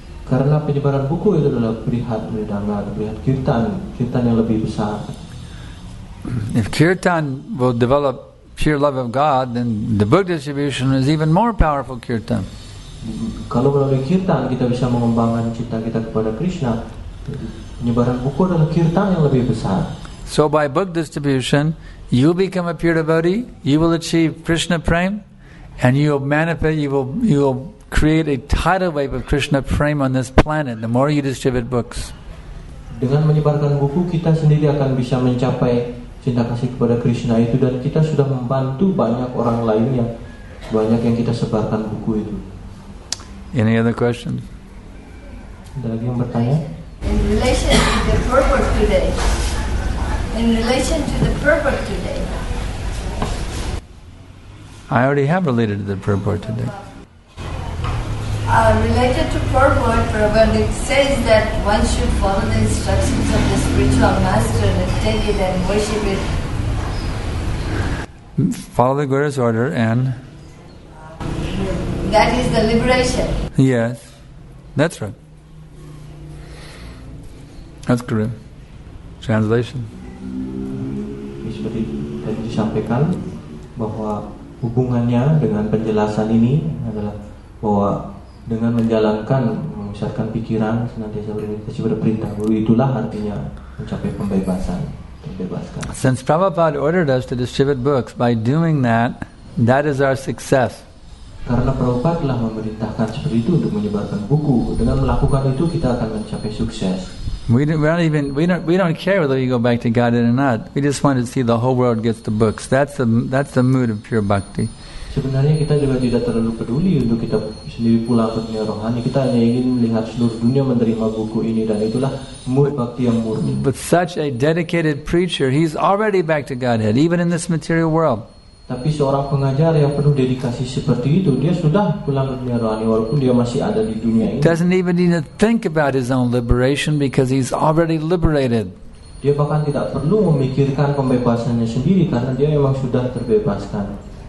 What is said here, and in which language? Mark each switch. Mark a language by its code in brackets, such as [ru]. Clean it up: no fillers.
[id] Karena penyebaran buku itu adalah brihat madanga, brihat kirtan, kirtan yang lebih besar. [en] If kirtan will develop pure love of God, then the book distribution is even more powerful kirtan. [id] Kalau melalui kirtan kita bisa mengembangkan cinta kita kepada Krishna. Penyebaran buku adalah kirtan yang lebih besar. [en] So by book distribution, you become a pure devotee, you will achieve Krishna Prema, and you will manifest, you will create a tidal wave of Krishna Prema on this planet, the more you distribute books. [id] Dengan menyebarkan buku kita sendiri akan bisa mencapai cinta kasih kepada Krishna itu, dan kita sudah membantu banyak orang lain yang banyak yang kita sebarkan buku itu. [en] Any other questions? [id] Ada lagi yang bertanya? [en] In relation to the purport today. In relation to the purport today. I already have related to the purport today. Related to purport, Prabhupada says that one should follow the instructions of the spiritual master and take it and worship it. Follow the Guru's order and... That is the liberation. Yes, that's right. That's correct. Translation. [id] Seperti tadi disampaikan bahwa hubungannya dengan penjelasan ini adalah bahwa dengan menjalankan, mengusahakan pikiran senantiasa berorientasi pada perintah guru, itulah artinya mencapai pembebasan, terbebaskan. [en] Since Prabhupada ordered us to distribute books, by doing that, that is our success. [id] Karena Prabhupada telah memerintahkan seperti itu untuk menyebarkan buku, dengan melakukan itu kita akan mencapai sukses. [en] We don't care whether you go back to God or not. We just want to see the whole world gets the books. That's the mood of pure bhakti. [id] Sebenarnya kita juga tidak terlalu peduli untuk kita sendiri pulang ke dunia rohani. Kita hanya ingin melihat seluruh dunia menerima buku ini, dan itulah mood bhakti yang murni. [en] But such a dedicated preacher, he's already back to Godhead, even in this material world. [id] Tapi seorang pengajar yang penuh dedikasi seperti itu, dia sudah pulang ke dunia rohani walaupun dia masih ada di dunia ini. [en] Doesn't even need to think about his own liberation because he's already liberated. [id] Dia bahkan tidak perlu memikirkan pembebasannya sendiri karena dia memang sudah terbebaskan.